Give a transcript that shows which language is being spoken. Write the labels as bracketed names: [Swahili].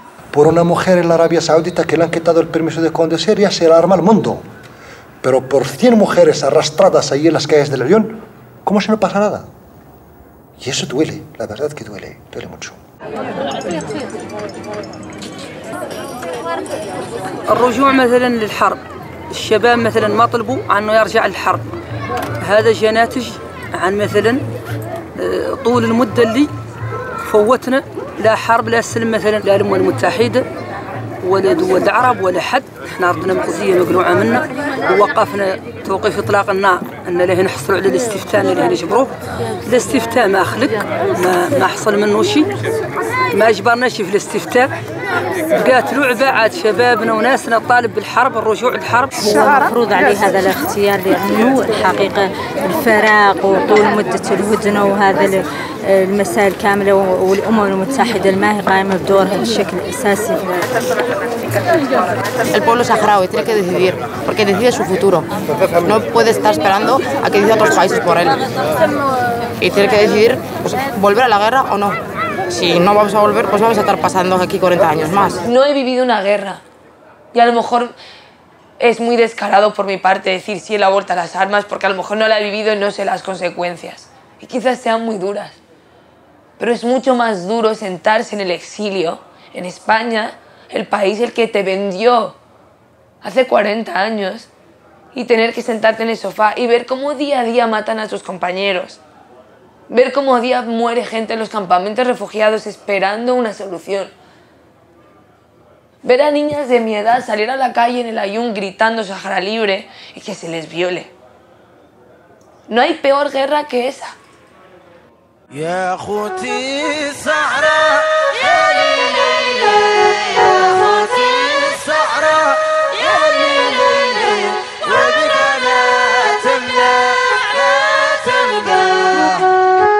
[Spanish] Por una mujer en la Arabia Saudita que le han quitado el permiso de conducir ya se alarma el mundo. Pero por 100 mujeres arrastradas ahí en las calles de León, ¿cómo se no pasa nada? Y eso duele, la verdad que duele, duele mucho. [Arabic] الرجوع مثلا للحرب، الشباب مثلا ما طلبوا انه يرجع للحرب. هذا جاء ناتج عن مثلا طول المده اللي فوتنا لا حرب لا سلم مثلا لا الامم المتحده ولا دول العرب ولا حد. احنا ارضنا مقضيه مقلوعه منا ووقفنا توقيف اطلاق النار ان له نحصل على الاستفتاء اللي له نجبروه الاستفتاء ما خلق ما حصل منه شيء ما اجبرناش في الاستفتاء بقات لعبه عاد شبابنا وناسنا طالب بالحرب الرجوع للحرب هو مفروض عليه هذا الاختيار لانه الحقيقه الفراق وطول مده الهدنه وهذا المسائل كاملة والأمم المتحدة ما هي قائمة بدورها بشكل أساسي. [Spanish] El pueblo saharaui tiene que decidir, porque decide su futuro. No puede estar esperando a que decida otros países por él. Y tiene que decidir, pues, volver a la guerra o no. Si no vamos a volver, pues vamos a estar pasando aquí 40 años más. No he vivido una guerra. Y a lo mejor es muy descarado por mi parte decir sí a la vuelta a las armas, porque a lo mejor no la he vivido y no sé las consecuencias. Y quizás sean muy duras. Pero es mucho más duro sentarse en el exilio, en España, el país el que te vendió hace 40 años, y tener que sentarte en el sofá y ver cómo día a día matan a tus compañeros. Ver cómo día muere gente en los campamentos refugiados esperando una solución. Ver a niñas de mi edad salir a la calle en el ayun gritando Sahara Libre y que se les viole. No hay peor guerra que esa. [Arabic] يا اخوتي الصحراء يا ليلى يا اخوتي الصحراء يا ليلى وبك لا تمنع لا تبقى